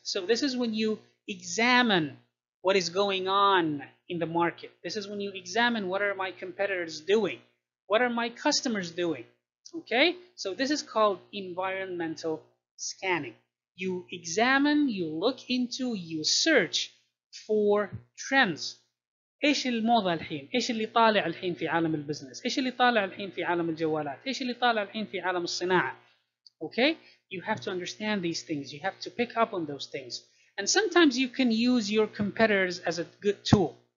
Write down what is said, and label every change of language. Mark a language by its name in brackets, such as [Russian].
[English] So this is when you examine what is going on in the market. This is when you examine what are my competitors doing? What are my customers doing? Okay, so this is called environmental scanning. You examine, you look into, you search for trends. [Arabic] ايش الموضة الحين؟ ايش اللي طالع الحين في عالم البزنس؟ ايش اللي طالع الحين في عالم الجوالات؟ ايش اللي طالع الحين في عالم الصناعة؟ [English] Okay, you have to understand these things. You have to pick up on those things. And sometimes you can use your competitors as a good tool.